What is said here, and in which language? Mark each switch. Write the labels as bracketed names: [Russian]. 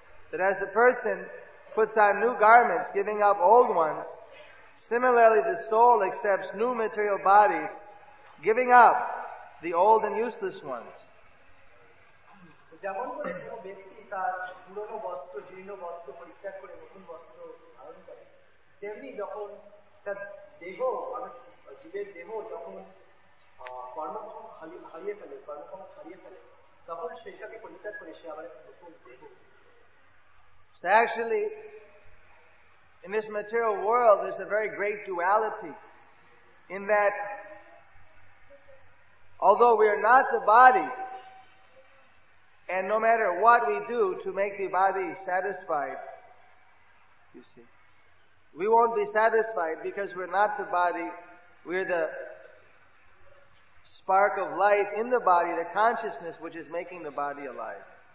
[English] That as a person puts on new garments, giving up old ones, similarly the soul accepts new material bodies, giving up the old and useless ones. [Bangla] যেমন করে কোন ব্যক্তি তার পুরনো বস্ত্র, জীর্ণ বস্ত্র পরিত্যাগ করে নতুন বস্ত্র ধারণ করে, তেমনি যখন তার দেহ, জীবের দেহ যখন কর্মক্ষম হারিয়ে ফেলে, কর্মক্ষম হারিয়ে ফেলে, তখন সেটাকে পরিত্যাগ করে সে আবার নতুন দেহ। [English] So actually, in this material world, there's a very great duality in that although we are not the body, and no matter what we do to make the body satisfied, you see, we won't be satisfied because we're not the body, we're the spark of life in the body, the consciousness which is making the body alive.